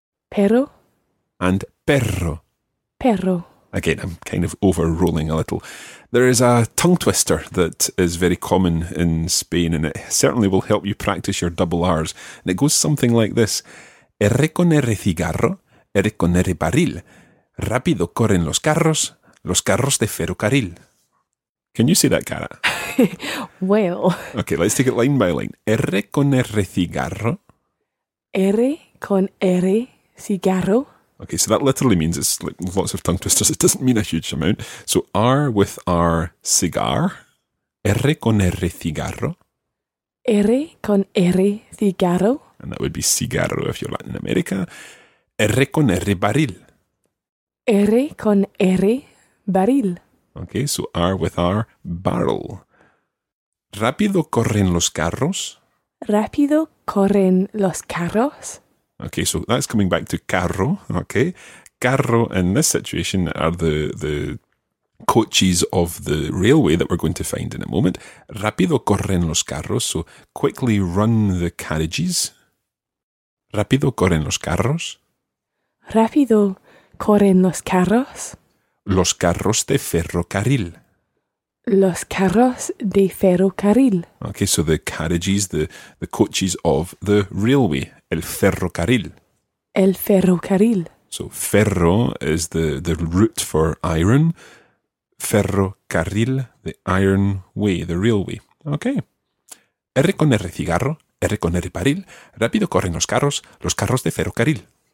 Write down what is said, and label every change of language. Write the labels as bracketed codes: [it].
[es] Perro. And perro. Perro. [en] Again, I'm kind of over-rolling a little. There is a tongue twister that is very common in Spain, and it certainly will help you practice your double R's. And it goes something like this. [es] Erre con erre cigarro, erre con erre barril. Rápido corren los carros de ferrocarril. [en] Can you see that, Cara? Well. Okay, let's take it line by line. [es] Erre con erre cigarro. Erre con erre cigarro. [en] Okay, so that literally means it's like lots of tongue twisters. It doesn't mean a huge amount. So R with R cigar. [es] R con R cigarro. R con R cigarro. [en] And that would be cigarro if you're Latin America. [es] R con R barril. R con R barril. [en] Okay, so R with R barrel. [es] Rápido corren los carros. Rápido corren los carros. [en] Okay, so that's coming back to carro, okay? Carro, in this situation, are the coaches of the railway that we're going to find in a moment. [es] Rápido corren los carros, [en] so quickly run the carriages. [es] Rápido corren los carros. Rápido corren los carros. Los carros de ferrocarril. Los carros de ferrocarril. [en] Okay, so the carriages, the coaches of the railway. [es] El ferrocarril. El ferrocarril. [en] So ferro is the root for iron. Ferrocarril, the iron way, the railway. [es] Okay. Erre con erre cigarro, erre con erre barril. Rápido corren los carros de ferrocarril.